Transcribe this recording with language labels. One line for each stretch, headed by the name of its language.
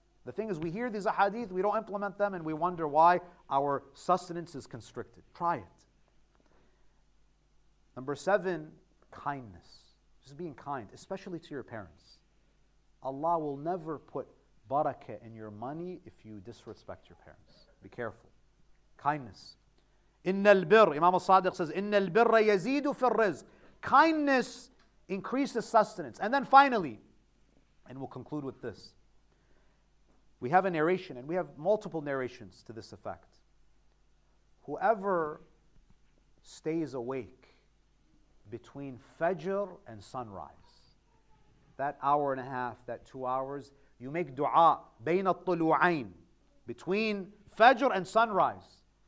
English: The thing is, we hear these ahadith, we don't implement them, and we wonder why our sustenance is constricted. Try it. Number seven, kindness. Just being kind, especially to your parents. Allah will never put barakah in your money if you disrespect your parents. Be careful. Kindness.
Arabic: إِنَّ الْبِرْ
English: Imam al-Sadiq says,
Arabic: إِنَّ الْبِرَّ يَزِيدُ فِي الرِّزْقِ
English: Kindness increases sustenance. And then finally, and we'll conclude with this. We have a narration, and we have multiple narrations to this effect. whoever stays awake between Fajr and sunrise, that hour and a half, that 2 hours, you make dua,
Arabic: بين الطلوعين,
English: between Fajr and sunrise.